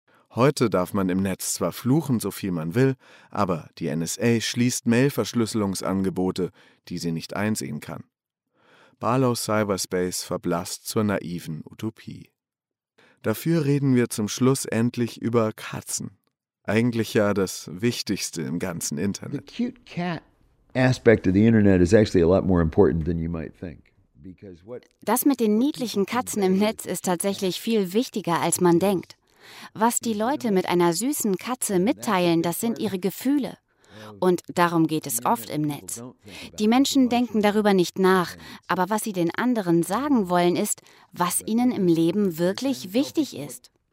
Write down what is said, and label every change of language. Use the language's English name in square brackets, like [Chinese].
[German] Heute darf man im Netz zwar fluchen, so viel man will, aber die NSA schließt Mail-Verschlüsselungsangebote, die sie nicht einsehen kann. Barlows Cyberspace verblasst zur naiven Utopie. Dafür reden wir zum Schluss endlich über Katzen. Eigentlich ja das Wichtigste im ganzen Internet. [English] The cute cat. Aspect of the internet is actually a lot more important than you might think. [German] Das mit den niedlichen Katzen im Netz ist tatsächlich viel wichtiger, als man denkt. Was die Leute mit einer süßen Katze mitteilen, das sind ihre Gefühle. Und darum geht es oft im Netz. Die Menschen denken darüber nicht nach, aber was sie den anderen sagen wollen, ist, was ihnen im Leben wirklich wichtig ist.